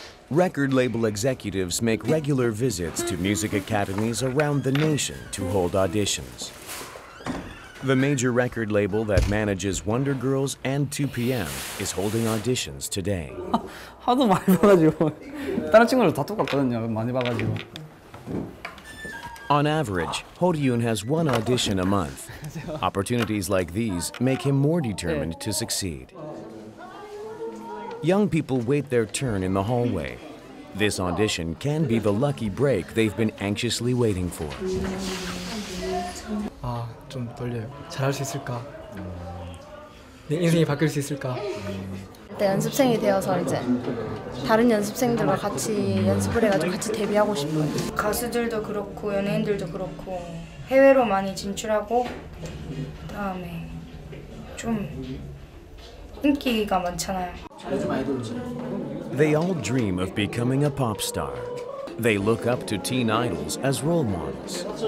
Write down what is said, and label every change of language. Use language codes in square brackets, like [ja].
[en] Record label executives make regular visits to music academies around the nation to hold auditions. The major record label that manages Wonder Girls and 2PM is holding auditions today. [ko] 하도 많이 봐가지고 다른 친구들 다 똑같거든요. 많이 봐가지고. [en] On average, Ho-ryun has one audition a month. Opportunities like these make him more determined to succeed. Young people wait their turn in the hallway. This audition can be the lucky break they've been anxiously waiting for. [ko] 아, 좀 떨려요. 잘할 수 있을까? 내 인생이 바뀔 수 있을까? 네, 연습생이 되어서 이제 다른 연습생들과 같이 연습을 해가지고 같이 데뷔하고 싶어요. 가수들도 그렇고 연예인들도 그렇고 해외로 많이 진출하고 그다음에 좀 인기가 많잖아요. [en] They all dream of becoming a pop star. They look up to teen idols as role models.